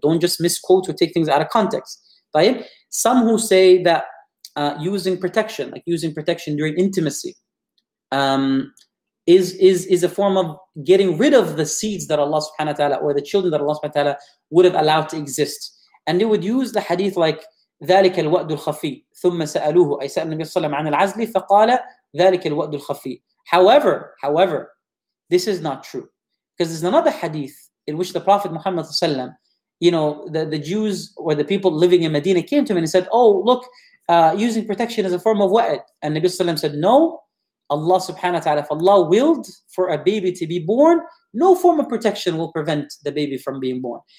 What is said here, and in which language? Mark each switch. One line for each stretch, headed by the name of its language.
English: Don't just misquote or take things out of context. طيب? Some who say that using protection, like using protection during intimacy, is a form of getting rid of the seeds that Allah subhanahu wa ta'ala, or the children that Allah subhanahu wa ta'ala would have allowed to exist. And they would use the hadith like
Arabic: ذلك الوأد الخفي ثم سألوه أي سأل النبي صلى الله عليه وسلم عن العزل فقال ذلك الوأد الخفي.
English: However, this is not true, because there's another hadith in which the Prophet Muhammad صلى الله عليه وسلم, you know, the Jews or the people living in Medina came to him and he said, oh look, using protection is a form of wa'ad. And Nabi Sallam said, no, Allah subhanahu wa ta'ala, if Allah willed for a baby to be born, no form of protection will prevent the baby from being born.